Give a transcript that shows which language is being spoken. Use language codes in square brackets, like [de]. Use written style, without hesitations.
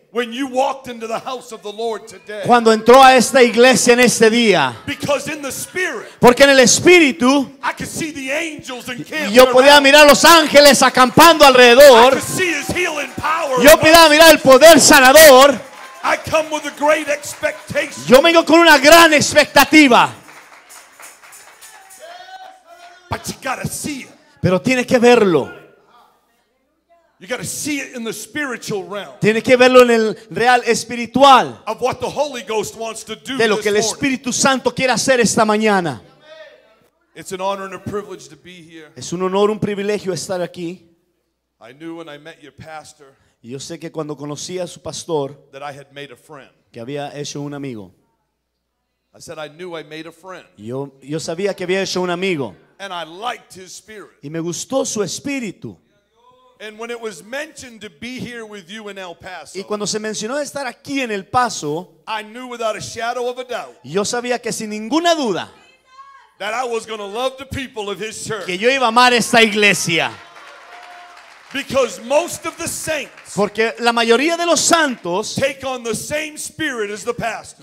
[en] When you walked into the house of the Lord today. [es] Cuando entró a esta iglesia en este día. [en] Because in the spirit. [es] Porque en el espíritu. [en] I could see the angels encamped. [es] Yo podía mirar los ángeles acampando alrededor. [en] I could see his healing power. [es] Yo podía mirar el poder sanador. [en] I come with a great expectation. [es] Yo vengo con una gran expectativa. [en] But you gotta see it. [es] Pero tiene que verlo. [en] You got to see it in the spiritual realm. [es] Tiene que verlo en el real espiritual. [en] Of what the Holy Ghost wants to do. [es] De lo que el Espíritu Santo quiere hacer esta mañana. [en] It's an honor and a privilege to be here. [es] Es un honor, un privilegio estar aquí. [en] I knew when I met your pastor. [es] Yo sé que cuando conocí a su pastor. [en] That I had made a friend. [es] Que había hecho un amigo. [en] I said I knew I made a friend. [es] Yo sabía que había hecho un amigo. [en] And I liked his spirit. [es] Y me gustó su espíritu. [en] And when it was mentioned to be here with you in El Paso, [es] y cuando se mencionó estar aquí en El Paso, [en] I knew without a shadow of a doubt, [es] yo sabía que sin ninguna duda, [en] that I was going to love the people of his church, [es] que yo iba a amar esta iglesia. [en] Because most of the saints, [es] porque la mayoría de los santos, [en] take on the same spirit as the pastor.